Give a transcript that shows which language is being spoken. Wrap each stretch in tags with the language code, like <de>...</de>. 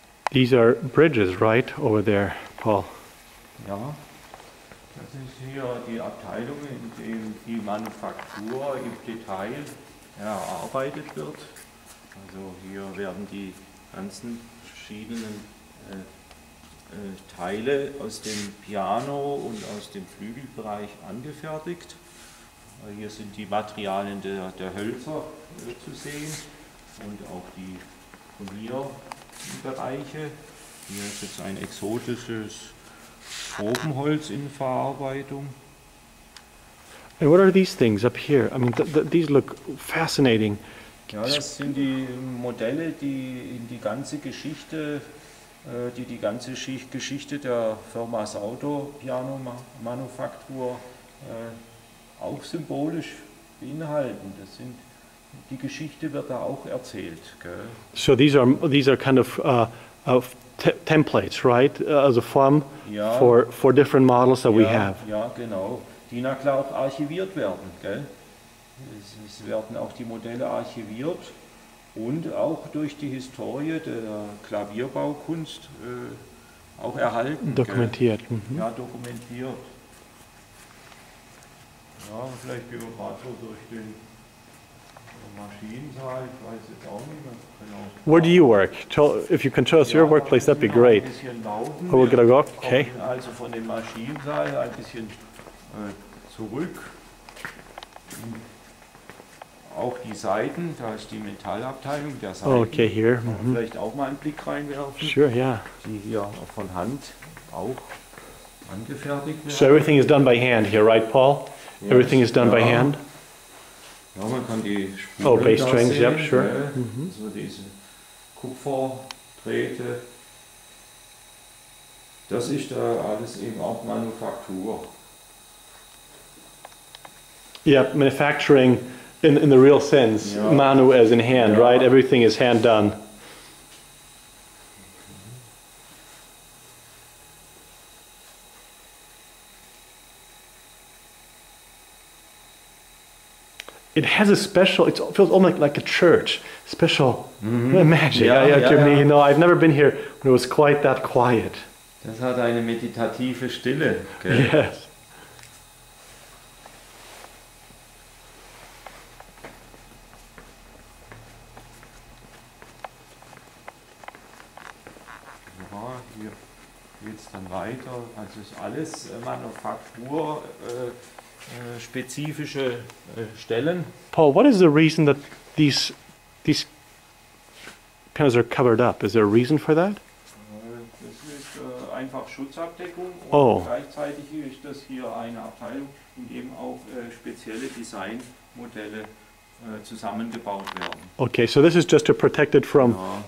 <en>These are bridges, right, over there, Paul?</en> <de>Ja, das ist hier die Abteilung, in der die Manufaktur im Detail erarbeitet wird. Also hier werden die ganzen verschiedenen Teile aus dem Piano und aus dem Flügelbereich angefertigt. Hier sind die Materialien der Hölzer zu sehen und auch die von hier. Bereiche. Hier ist jetzt ein exotisches Tropenholz in Verarbeitung.</de> <en>And what are these things up here? I mean, these look fascinating.</en> <de>Ja, das sind die Modelle, die in die ganze Geschichte, die ganze Geschichte der Firma Sauter Piano Manufaktur auch symbolisch beinhalten. Das sind die Geschichte wird da auch erzählt, gell?</de> <en>So these are kind of templates, right?</en> <de>Also Form, ja,</de> <en>for different models that,</en> <de>ja,</de> <en>we have.</en> <de>Ja, genau. Die na klar auch archiviert werden, gell? Es werden auch die Modelle archiviert und auch durch die Historie der Klavierbaukunst auch erhalten. Dokumentiert. Gell? Mhm. Ja, dokumentiert. Ja, vielleicht gehen wir gerade so durch den Maschinensaal, ich weiß jetzt auch nicht mehr genau.</de> <en>Where do you work? If you can show us your workplace, that'd be great. Oh, we're gonna go. Okay.</en> <de>Also von dem Maschinensaal ein bisschen zurück. Auch die Seiten, da ist die Metallabteilung der Seiten.</de> <en>Okay, here. Mm-hmm.</en> <de>Vielleicht auch mal einen Blick reinwerfen.</de> <en>Sure, yeah.</en> <de>Die hier auch von Hand auch angefertigt werden.</de> <en>So everything is done by hand here, right, Paul? Yes, everything is done by hand.</en> <de>Ja, man kann die Spuren,</de> <en>oh, Bass Strings,</en> <de>sehen,</de> <en>yep, sure.</en> <de>Also diese Kupferdrähte. Das ist da alles eben auch Manufaktur.</de> <en>Yep, manufacturing In the real sense, ja. Manu as in hand, ja. Right? Everything is hand done. It has a special, it feels almost like a church, special mm-hmm. magic. Yeah, yeah, yeah, to yeah. me, you know, I've never been here when it was quite that quiet.</en> <de>Das hat eine meditative Stille, gell?</de> <en>Yes.</en> <de>Ja, hier geht's dann weiter. Also ist alles Manufaktur. Spezifische Stellen.</de> <en>Paul, what is the reason that these panels are covered up? Is there a reason for that?</en> <de>Das ist einfach Schutzabdeckung und oh. gleichzeitig ist das hier eine Abteilung, in dem auch spezielle Designmodelle zusammengebaut werden.</de> <en>Okay, so this is just to protect it from ja.</en>